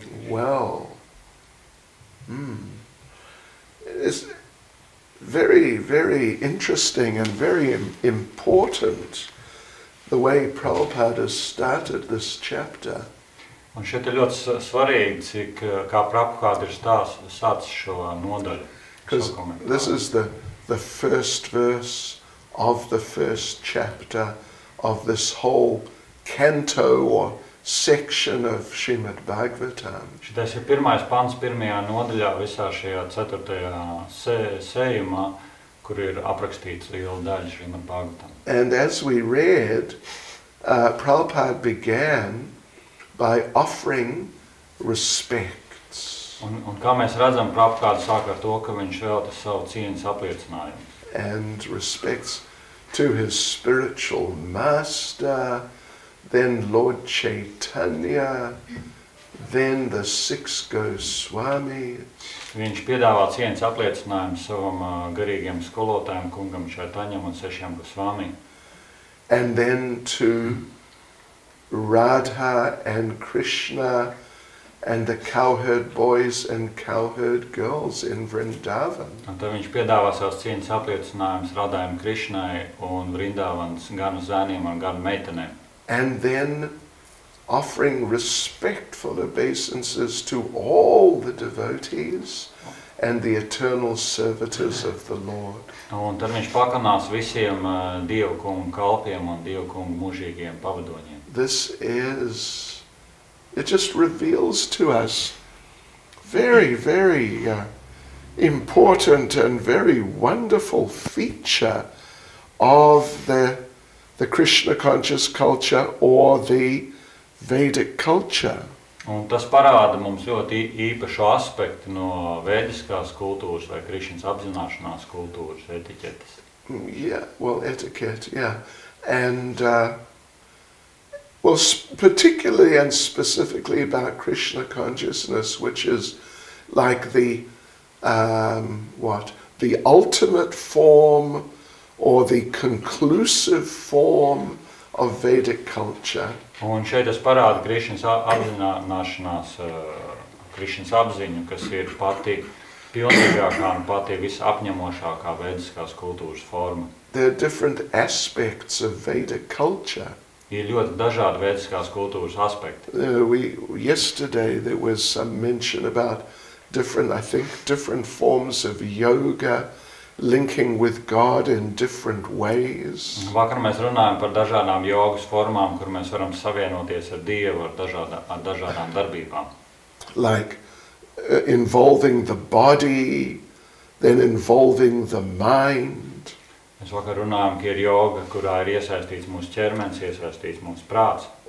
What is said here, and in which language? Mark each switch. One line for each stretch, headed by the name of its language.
English: Well, it's very, very interesting and very important the way Prabhupada started this chapter.
Latvian: Un šeit ir ļoti svarīgi, cik kā Prabhupāda ir sācis šo nodaļu.
English: Because this is the first verse of the first chapter of this whole canto or section of Srimad Bhagavatam.
Latvian: Šitais ir pirmais pants pirmajā nodaļā visā šajā ceturtajā sējumā, kur ir aprakstīts liela daļa Srimad Bhagavatam.
English: And as we read, Prabhupada began by offering respects.
Latvian: Un kā mēs redzam, Prabhupāda sāka ar to, ka viņš velta savu cieņas apliecinājumu.
English: And respects to his spiritual master, then Lord Chaitanya, then the six Goswamis.
Latvian: Viņš piedāvā cieņas apliecinājumu savam garīgiem skolotājiem, kungam Chaitanyam un sešiem Goswamim.
English: And then to Radha and Krishna and the cowherd boys and cowherd girls in Vrindavan.
Latvian: Un tad viņš piedāvā savas cieņas apliecinājumus Radhai un Krishnai un Vrindavans gan zēniem un gan meitenēm.
English: And then offering respectful obeisances to all the devotees and the eternal servitors of the Lord.
Latvian: Un tad viņš pakanās visiem dievkungu kalpiem un dievkungu mūžīgiem pavadoņiem.
English: This is, it just reveals to us very, very important and very wonderful feature of the Krishna conscious culture or the Vedic culture.
Latvian: Un tas parāda mums ļoti īpašu aspektu no vēdiskās kultūras vai Krišņas apzināšanās kultūras etiķetes.
English: Yeah, well, etiquette, yeah. And, well, particularly and specifically about Krishna consciousness, which is like the ultimate form or the conclusive form of Vedic culture.
Latvian: Un šeit es parādu Krišņas apzināšanās, Krišņas apziņu, kas ir pati pilnīgākā un pati visapņemošākā vēdiskās kultūras forma.
English: There are different aspects of Vedic culture.
Latvian: Ir ļoti dažādi vēdiskās kultūras aspekti.
English: Yesterday there was some mention about different forms of yoga linking with God in different ways.
Latvian: Vakar mēs runājam par dažādām jogas formām, kur mēs varam savienoties ar Dievu ar dažādām darbībām.
English: Like involving the body, then involving the mind.
Latvian: Mēs vakar runājam, ka ir joga, kurā ir iesaistīts mūsu ķermenis, iesaistīts mūsu prāts.